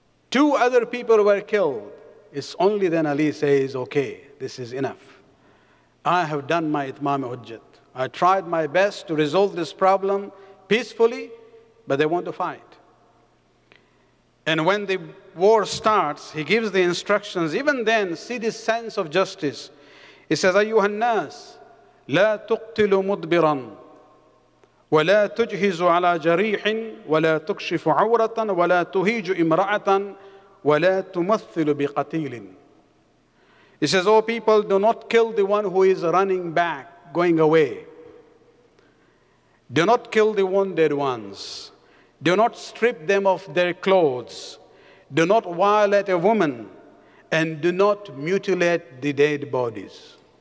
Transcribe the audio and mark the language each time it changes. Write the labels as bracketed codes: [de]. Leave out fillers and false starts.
[en] Two other people were killed. It's only then Ali says, okay, this is enough. I have done my itmam hujjat. I tried my best to resolve this problem peacefully, but they want to fight. And when the war starts, he gives the instructions. Even then, see this sense of justice. He says, [ar] أيها الناس لا تقتلوا مدبرا ولا تجهز على جريح ولا تكشف عورة ولا تهيج امرأة ولا تمثل بقتيل. [en] He says, "O people, do not kill the one who is running back, going away. Do not kill the wounded ones. Do not strip them of their clothes. Do not violate a woman, and do not mutilate the dead bodies."